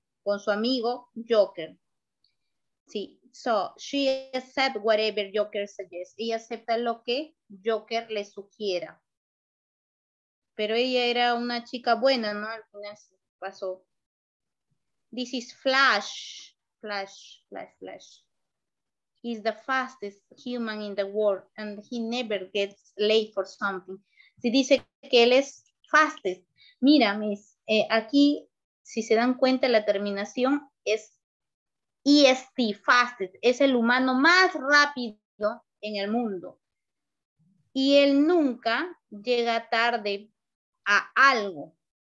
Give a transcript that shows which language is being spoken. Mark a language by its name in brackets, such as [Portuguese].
[Spanish] Con su amigo, [English] Joker. [Spanish] Sí. [English] So, she accepts whatever Joker suggests. [Spanish] Ella acepta lo que Joker le sugiera. Pero ella era una chica buena, ¿no? Al final pasó [English] This is Flash. Flash, Flash, Flash. He's the fastest human in the world and he never gets late for something. [Spanish] Si dice que él es fastest. Mira, Miss, aquí, si se dan cuenta, la terminación es EST, fastest. Es el humano más rápido en el mundo. Y él nunca llega tarde a algo.